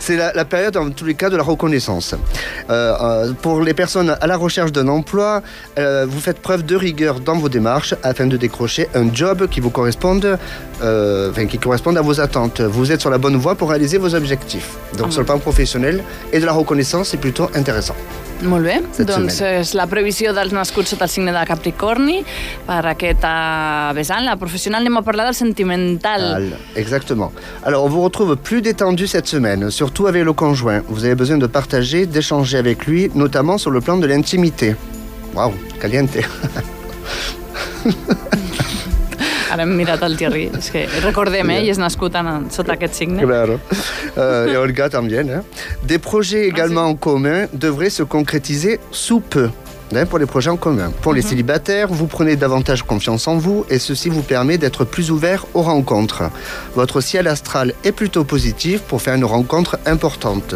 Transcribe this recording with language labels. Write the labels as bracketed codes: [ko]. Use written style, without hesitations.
[fr] C'est la période, en tous les cas, de la reconnaissance. Pour les personnes à la recherche d'un emploi, vous faites preuve de rigueur dans vos démarches afin de décrocher un job qui vous corresponde, qui corresponde à vos attentes. Vous êtes sur la bonne voie pour réaliser vos objectifs. Donc, sur le plan professionnel et de la reconnaissance, c'est plutôt intéressant. [ca] Molt bé, doncs és la previsió dels nascuts sota el signe de Capricorni per aquest vessant. La professional, anem a parlar del sentimental. [fr] Exactement. Alors, on vous retrouve plus détendu cette semaine, surtout avec le conjoint. Vous avez besoin de partager, d'échanger avec lui, notamment sur le plan de l'intimité. [es] Waouh, caliente. [ca] Ara hem mirat el Thierry. És que recordem, i és nascut sota aquest signe. Claro. Et Olga també, eh? [fr] Des projets également en commun devraient se concrétiser sous peu. Pour les projets en commun. Pour les célibataires, vous prenez davantage confiance en vous et ceci vous permet d'être plus ouvert aux rencontres. Votre ciel astral est plutôt positif pour faire une rencontre importante.